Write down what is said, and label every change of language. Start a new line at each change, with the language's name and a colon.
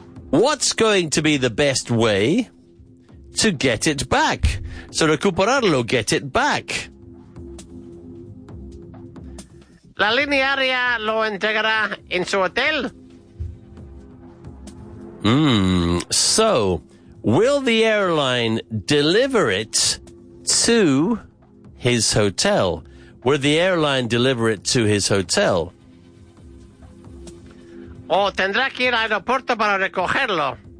English: What's going to be the best way to get it back? So recuperarlo, get it back.
Spanish: La línea aérea lo entregará en su hotel.
English: So will the airline deliver it to his hotel? Will the airline deliver it to his hotel?
Spanish: O tendrá que ir al aeropuerto para recogerlo.